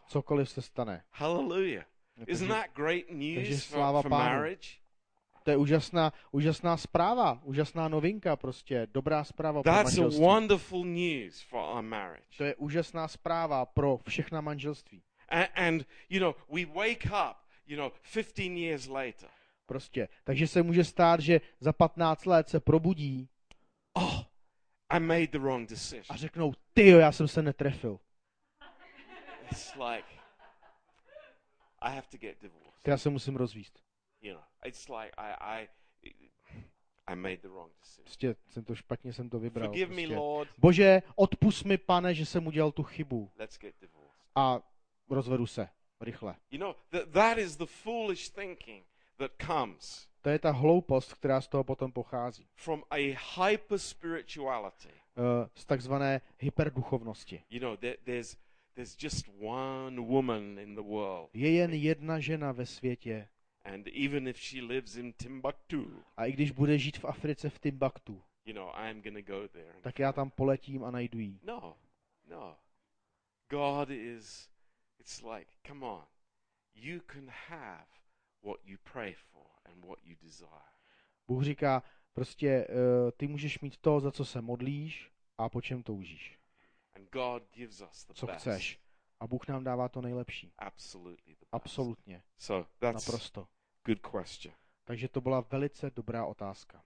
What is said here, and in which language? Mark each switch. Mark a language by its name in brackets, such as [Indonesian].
[Czech] Cokoliv se stane. [English] Hallelujah. Isn't that great news for marriage? [Czech] To je úžasná zpráva, úžasná novinka, prostě dobrá zpráva pro manželství. [English] That's wonderful news for our marriage. [Czech] To je úžasná zpráva pro všechna manželství. [English] And you know, we wake up, you know, 15 years later. [Czech] Prostě. Takže se může stát, že za 15 let se probudí. [English] Oh, I made the wrong decision. [Czech] A řeknou: "Tyjo, já jsem se netrefil." [English] It's like I have to get divorced. [Czech] Tyjo, já se musím rozvíst. [English] You know, it's like I made the wrong decision. [Czech] Prostě jsem to špatně jsem to vybral. [English] Forgive [Czech] prostě. [English] Me, Lord. [Czech] Bože, odpusť mi, Pane, že jsem udělal tu chybu. [English] Let's get divorced. [Czech] A rozvedu se rychle. [English] You know, that is the foolish thinking. That comes. [Czech] To je ta hloupost, která z toho potom pochází. [English] From a hyper spirituality. [Czech] Z takzvané hyperduchovnosti. [English] You know, there's just one woman in the world. [Czech] Je jen jedna žena ve světě. [English] And even if she lives in Timbuktu. A i když bude žít v Africe v Timbuktu. You know, I'm gonna go there. [Czech] Tak já tam poletím a najdu jí. [English] No. God is, it's like, come on, you can have what you pray for and what you desire. [Czech] Bůh říká, prostě ty můžeš mít to, za co se modlíš a po čem toužíš. [English] And God gives us the [Czech] co [English] best. [Czech] Chceš. A Bůh nám dává to nejlepší. [English] Absolutely the best. [Czech] Absolutně. [English] So that's [Czech] naprosto. [English] Good question. [Czech] Takže to byla velice dobrá otázka.